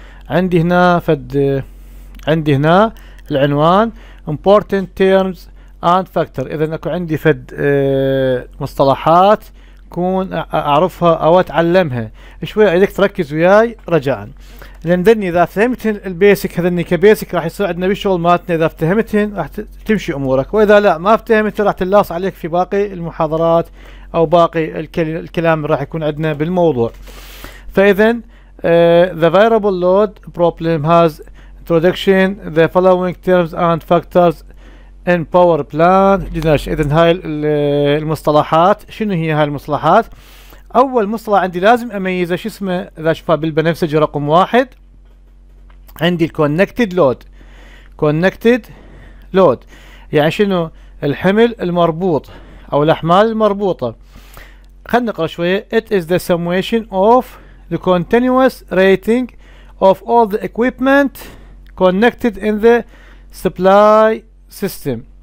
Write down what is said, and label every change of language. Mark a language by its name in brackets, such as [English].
[Arabic] عندي هنا عندي هنا العنوان [English] important terms and factor، [Arabic] اذا اكو عندي فد مصطلحات كون اعرفها او اتعلمها، شوي اريدك تركز وياي رجاء، لان دني اذا فهمت البيسك هذني كبيسك راح يصير عندنا بالشغل مالتنا، اذا فهمتهن راح تمشي امورك، واذا لا ما فهمت راح تلاص عليك في باقي المحاضرات او باقي الكلام راح يكون عندنا بالموضوع. فاذا [English] the variable load problem has introduction the following terms and factors [Arabic] ان باور بلان جناش. اذا هاي المصطلحات، شنو هي هاي المصطلحات؟ اول مصطلح عندي لازم اميزه شو اسمه، اذا اشوفها بالبنفسجي رقم واحد عندي الكونكتد لود. كونكتد لود يعني شنو؟ الحمل المربوط او الاحمال المربوطه. خلينا نقرا شويه. [English] It is the summation of the continuous rating of all the equipment connected in the supply system.